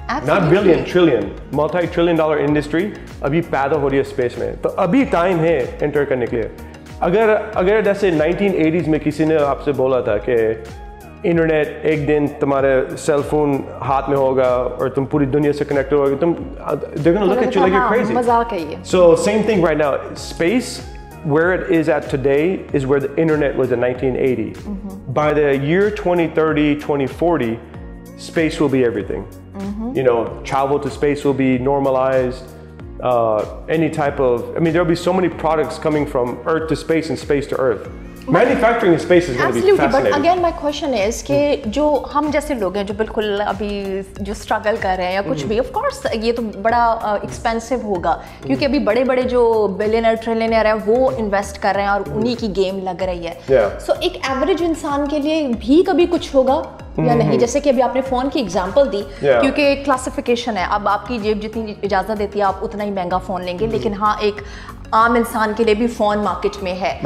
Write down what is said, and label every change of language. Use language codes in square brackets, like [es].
[hi] Not billion trillion multi trillion dollar industry अभी पैदा हो रही है स्पेस में, तो अभी टाइम है एंटर करने के लिए. अगर अगर जैसे 1980s में किसी ने आपसे बोला था कि इंटरनेट एक दिन तुम्हारे सेलफोन हाथ में होगा और तुम पूरी दुनिया से कनेक्टेड होगे, तुम [en] they're gonna look at you like you're crazy. [hi] मजाक है ये. [en] So same thing right now, space where it is at today is where the internet was in 1980. Mm-hmm. By the year 2030, 2040, space will be everything. Mm-hmm. You know, travel to space will be normalized. Any type of, I mean, there'll be so many products coming from Earth to space and space to Earth. But manufacturing in space is going to be fascinating. Absolutely, but again, my question is [hi] कि जो हम जैसे लोग हैं जो बिल्कुल अभी जो struggle कर रहे हैं या कुछ भी, of course ये तो बड़ा expensive होगा क्योंकि अभी बड़े-बड़े जो billionaire trillionaire हैं वो invest कर रहे हैं और उन्हीं की game लग रही है. So एक average इंसान के लिए भी कभी कुछ होगा या नहीं, जैसे कि अभी आपने फोन की एग्जांपल दी क्योंकि एक क्लासिफिकेशन है, अब आपकी जेब जितनी इजाजत देती है आप उतना ही महंगा फोन लेंगे, लेकिन हाँ एक आम इंसान के लिए भी फोन मार्केट में है.